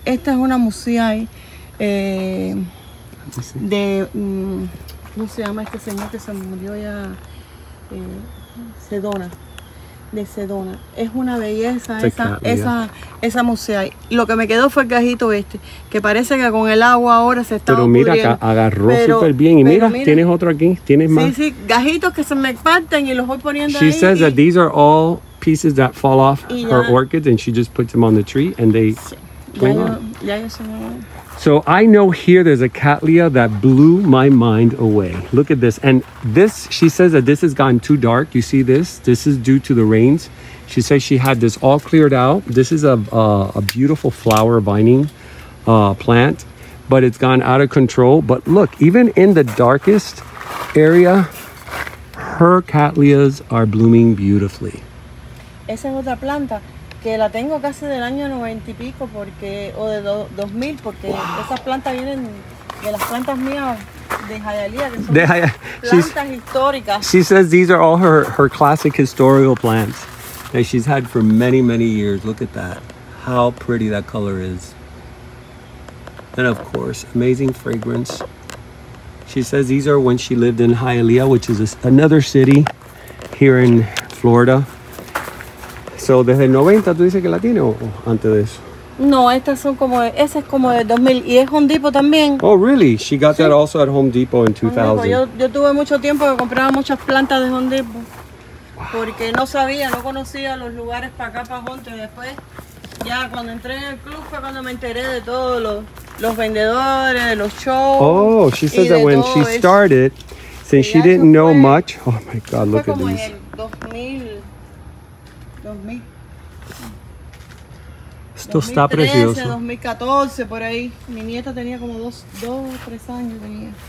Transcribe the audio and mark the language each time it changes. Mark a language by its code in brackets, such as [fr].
[es] Esta es una musea de ¿cómo se llama este señor que se murió ya? Sedona. De Sedona. Es una belleza esa musea. Lo que me quedó fue el gajito este, que parece que con el agua ahora se está pudriendo. Pero mira, agarró súper bien. Y mira, mira, tienes otro aquí. Tienes sí, más. Sí, sí. Gajitos que se me parten y los voy poniendo [en] she [es] ahí. [en] She says that these are all pieces that fall off her orchids and she just puts them on the tree and they cling on. [es] Ya yo se me voy. [en] So I know here there's a cattleya that blew my mind away. Look at this. And this, she says that this has gotten too dark. You see this? This is due to the rains. She says she had this all cleared out. This is a beautiful flower vining plant, but it's gone out of control. But look, even in the darkest area, her cattleyas are blooming beautifully. [es] Esa es otra planta. Que la tengo casi del año 90 y pico porque o de 2000 porque wow. Esas plantas vienen de las plantas mías de Hialeah, que son plantas históricas. [en] She says these are all her classic historical plants that she's had for many, many years. Look at that. How pretty that color is. And of course, amazing fragrance. She says these are when she lived in Hialeah, which is another city here in Florida. [es] So, desde el 90, ¿tú dices que la tiene o antes de eso? No, estas son como, esa es como de 2000 y es Home Depot también. [en] Oh, really? She got sí. That also at Home Depot in 2000. [es] Yo tuve mucho tiempo que compraba muchas plantas de Home Depot. Wow. Porque no sabía, no conocía los lugares para acá, para Honte. Después, ya cuando entré en el club fue cuando me enteré de todos los vendedores, de los shows. [en] Oh, she says that when she started, since she didn't know much. Oh, my God, look at these. [es] Fue como en el 2000. Esto está precioso. 2014, por ahí. Mi nieta tenía como dos, tres años. Tenía.